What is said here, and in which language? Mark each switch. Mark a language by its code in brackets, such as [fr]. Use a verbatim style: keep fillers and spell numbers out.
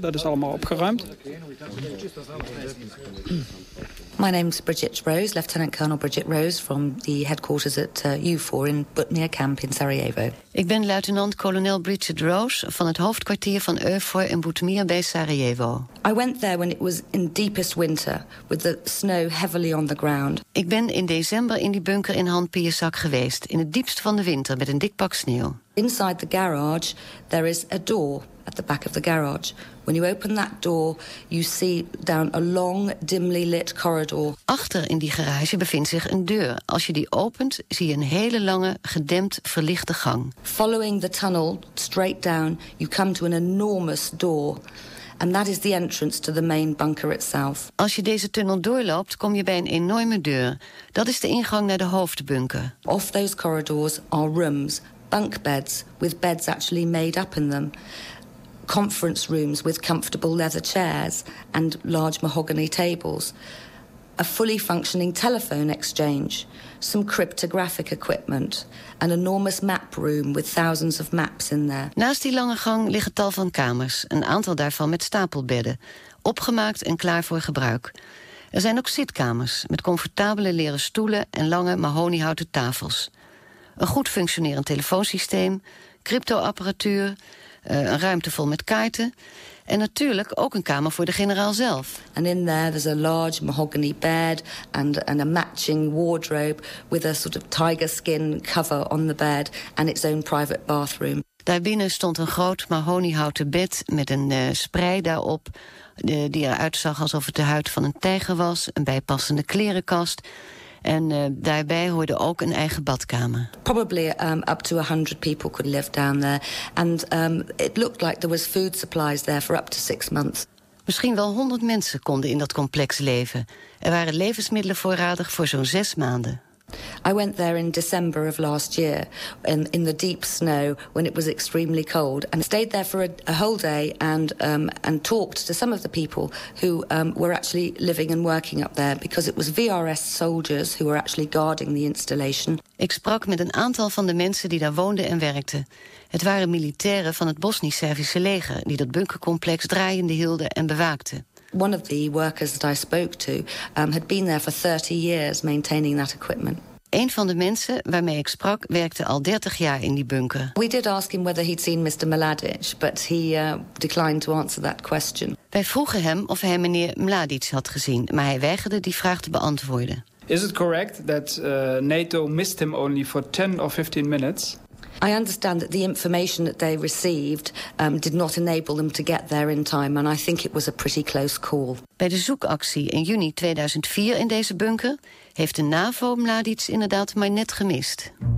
[nl] Dat is allemaal opgeruimd. [en] My name is Bridget Rose, Lieutenant Colonel Bridget Rose... from the headquarters at uh, U four in Butnia Camp in Sarajevo. [nl] Ik ben luitenant-kolonel Bridget Rose... van het hoofdkwartier van Eufor in Butmir bij Sarajevo. [en] I went there when it was in deepest winter... with the snow heavily on the ground. [nl] Ik ben in december in die bunker in Ham-Piersek geweest... in het diepst van de winter met een dik pak sneeuw. [en] Inside the garage, there is a door... at the back of the garage. When you open that door, you see down a long, dimly lit corridor. [nl] Achter in die garage bevindt zich een deur. Als je die opent, zie je een hele lange, gedempt, verlichte gang. [en] Following the tunnel, straight down, you come to an enormous door. And that is the entrance to the main bunker itself. [nl] Als je deze tunnel doorloopt, kom je bij een enorme deur. Dat is de ingang naar de hoofdbunker. [en] Off those corridors are rooms, bunk beds, with beds actually made up in them. Conference rooms with comfortable leather chairs and large mahogany tables, a fully functioning telephone exchange, some cryptographic equipment, an enormous map room with thousands of maps in there. [nl] Naast die lange gang liggen tal van kamers, een aantal daarvan met stapelbedden, opgemaakt en klaar voor gebruik. Er zijn ook zitkamers met comfortabele leren stoelen en lange mahoniehouten tafels. Een goed functionerend telefoonsysteem, cryptoapparatuur... Uh, een ruimte vol met kaarten. En natuurlijk ook een kamer voor de generaal zelf. [en] And in there there's a large mahogany bed and, and a matching wardrobe with a sort of tiger skin cover on the bed and its own private bathroom. [nl] Daarbinnen stond een groot mahoniehouten bed met een uh, sprei daarop uh, die eruit zag alsof het de huid van een tijger was, een bijpassende klerenkast. En uh, daarbij hoorde ook een eigen badkamer. [en] Probably um, up to one hundred people could live down there. And um, it looked like there was food supplies there for up to six months. [nl] Misschien wel honderd mensen konden in dat complex leven. Er waren levensmiddelen voorradig voor zo'n zes maanden. [en] I went there in December of last year, in, in the deep snow, when it was extremely cold, and stayed there for a, a whole day and um, and talked to some of the people who um, were actually living and working up there, because it was V R S soldiers who were actually guarding the installation. [nl] Ik sprak met een aantal van de mensen die daar woonden en werkten. Het waren militairen van het Bosnisch-Servische leger die dat bunkercomplex draaiende hielden en bewaakten. [en] One of the workers that I spoke to um, had been there for thirty years maintaining that equipment. [nl] Een van de mensen waarmee ik sprak werkte al dertig jaar in die bunker. [en] We did ask him whether he'd seen mister Mladic, but he uh, declined to answer that question. [nl] Wij vroegen hem of hij meneer Mladic had gezien, maar hij weigerde die vraag te beantwoorden. [en] Is it correct that uh, NATO missed him only for ten or fifteen minutes? I understand that the information that they received um, did not enable them to get there in time, and I think it was a pretty close call. [nl] Bij de zoekactie in juni tweeduizend vier in deze bunker heeft de NAVO Mladic inderdaad maar net gemist.